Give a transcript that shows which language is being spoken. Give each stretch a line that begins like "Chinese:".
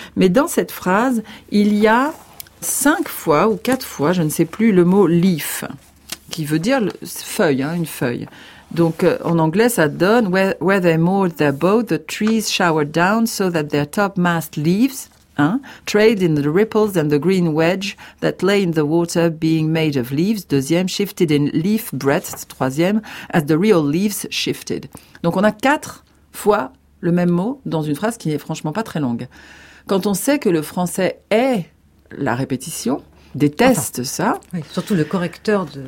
French: Mais dans cette phrase, il y a 5 fois ou 4 fois, je ne sais plus, le mot « leaf », qui veut dire une feuille. Donc en anglais, ça donne
English: « where they moored their boat, the trees showered down so that their topmast leaves hein, trailed in the ripples and the green wedge that lay in the water being made of leaves.
French: Deuxième,
English: shifted in leaf breadth.
French: Troisième,
English: as the real leaves shifted.
French: » Donc on a 4 fois le même mot dans une phrase qui n'est franchement pas très longue. Quand on sait que le français est la répétition, déteste enfin, ça. Oui, surtout le correcteur.